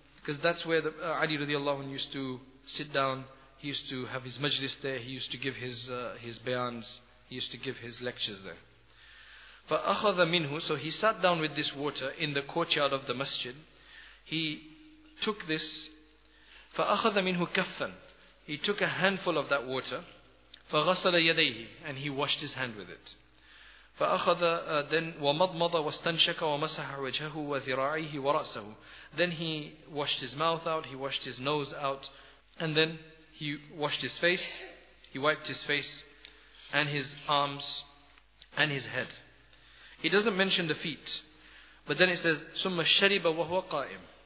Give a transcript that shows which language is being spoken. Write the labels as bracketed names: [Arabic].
[English] Because that's where Ali radiallahu anhu used to sit down, he used to have his majlis there, he used to give his bayans, he used to give his lectures there. [Arabic] فَأَخَذَ مِنْهُ. [English] So he sat down with this water in the courtyard of the masjid. He took this, [Arabic] فَأَخَذَ مِنْهُ كَفًّا. [English] He took a handful of that water, [Arabic] فَغَسَلَ يَدَيْهِ, [English] and he washed his hand with it. [Arabic] فَأَخَذَ then وَمَضْمَضَ وَاسْتَنْشَكَ وَمَسَحَ وَجْهَهُ وَذِرَاعِهِ وَرَأْسَهُ. [English] Then he washed his mouth out, he washed his nose out, and then he washed his face, he wiped his face, and his arms, and his head. He doesn't mention the feet, but then it says [Arabic] ثُمَّ شَرِبَ وَهُوَ قَائِمٌ.